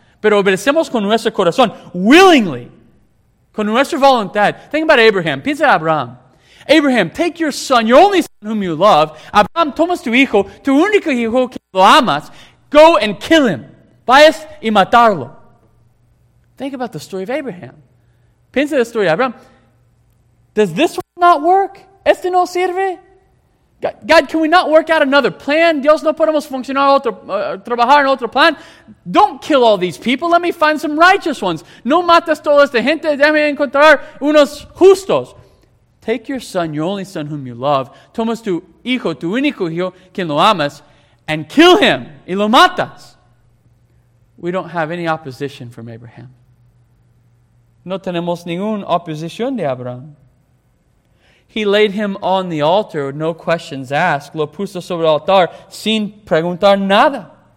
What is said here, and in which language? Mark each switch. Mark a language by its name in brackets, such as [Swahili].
[Spanish] Pero obedecemos con nuestro corazón, willingly, con nuestra voluntad. [English] Think about Abraham. [Spanish] Piensa en Abraham. [English] Abraham, take your son, your only son whom you love. [Spanish] Abraham, tomas tu hijo, tu único hijo que lo amas. [English] Go and kill him. [Spanish] Vayas y matarlo. [English] Think about the story of Abraham. [Spanish] Piensa en la historia de Abraham. [English] Does this one not work? [Spanish] ¿Este no sirve? [English] God, can we not work out another plan? [Spanish] Dios, no podemos funcionar, trabajar en otro plan. [English] Don't kill all these people. Let me find some righteous ones. [Spanish] No matas toda esta gente. Déjame encontrar unos justos. [English] Take your son, your only son whom you love. [Spanish] Tomas tu hijo, tu único hijo, quien lo amas, [English] and kill him. [Spanish] Y lo matas. [English] We don't have any opposition from Abraham. [Spanish] No tenemos ninguna oposición de Abraham. [English] He laid him on the altar, no questions asked. [Spanish] Lo puso sobre el altar sin preguntar nada.